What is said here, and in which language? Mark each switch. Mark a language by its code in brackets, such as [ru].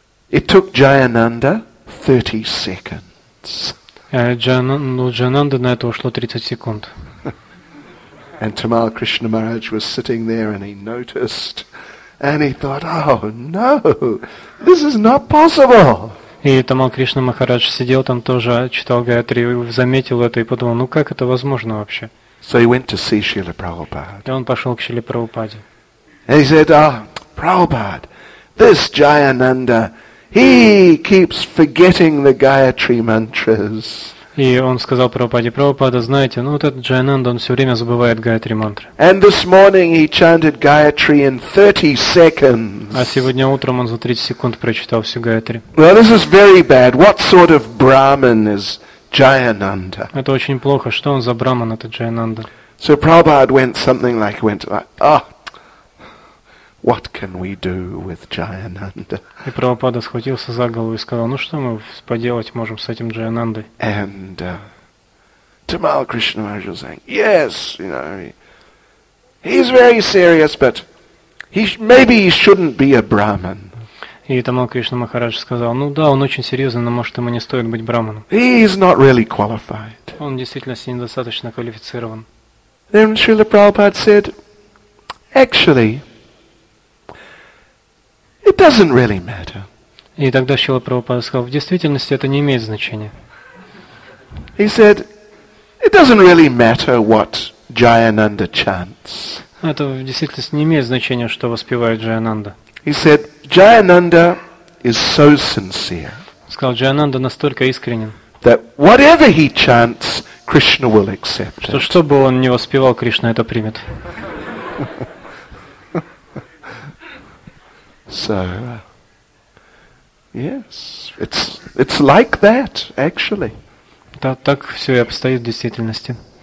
[en] It took Jayananda 30 seconds. [ru] Джайананда на это ушло 30 секунд. [en] And Tamal Krishna Maharaj was sitting there and he noticed and he thought, oh no, this is not possible. [ru] И Тамал Кришна Махарадж сидел там тоже, читал Гаятри, заметил это и подумал, ну как это возможно вообще? [en] So he went to see Srila Prabhupada. [ru] И он пошел к Шриле Прабхупаде. [en] And he said, oh, Prabhupada, this Jayananda, he keeps forgetting the Gayatri mantras. [ru] И он сказал Прабхупаде, Прабхупада, знаете, ну вот этот Джайананда, он все время забывает Гаятри мантры. [en] And this morning he chanted Gayatri in 30 seconds. [ru] А сегодня утром он за 30 секунд прочитал всю Гаятри. [en] Well, this is very bad. What sort of Brahmin is Jayananda? [ru] Это очень плохо. Что он за Брахман, этот Джайананда? [en] So Prabhupada went something like, oh, what can we do with Jayananda? [ru] И Прабхупада схватился за голову и сказал, ну что мы поделать можем с этим Джайанандой? [en] And Tamal Krishna Maharaj was saying, yes, you know, he's very serious, but maybe he shouldn't be a Brahman. [ru] И Тамал Кришна Махарадж сказал, ну да, он очень серьезный, но может ему не стоит быть Брахманом. [en] He is not really qualified. [ru] Он действительно с ним достаточно квалифицирован. [en] Then Srila Prabhupada said, actually, it doesn't really matter. [ru] И тогда Шрила Прабхупада сказал, в действительности это не имеет значения. [en] He said, it doesn't really matter what Jayananda chants. [ru] Это в действительности не имеет значения, что воспевает Джайананда. [en] He said, Jayananda is so sincere. [ru] Сказал, Джайананда настолько искренен. [en] That whatever he chants, Krishna will accept it. [ru] Что бы он ни воспевал, Кришна это примет. [en] So, yes, it's like that, actually. [ru] Так все и обстоит в действительности.